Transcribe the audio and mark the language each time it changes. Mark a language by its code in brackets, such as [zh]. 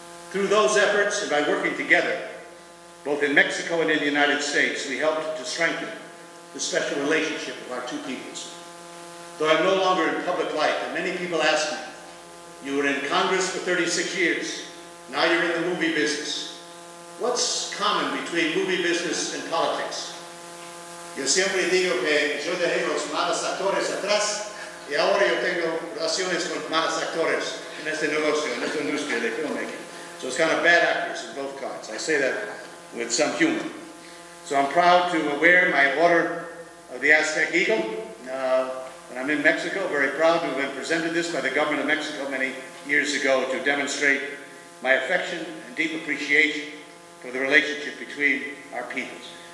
[en] Through those efforts and by working together, both in Mexico and in the United States, we helped to strengthen the special relationship of our two peoples. Though I'm no longer in public life, and many people ask me, you were in Congress for 36 years, now you're in the movie business. What's common between movie business and politics? [es] Yo siempre digo que yo dejé los malos actores atrás, y ahora yo tengo relaciones con malos actores en este negocio, en esta industria de filmmaking. [en] So it's kind of bad actors in both kinds. I say that with some humor. So I'm proud to wear my Order of the Aztec Eagle, and I'm in Mexico, very proud to have been presented this by the government of Mexico many years ago to demonstrate my affection and deep appreciation for the relationship between our peoples.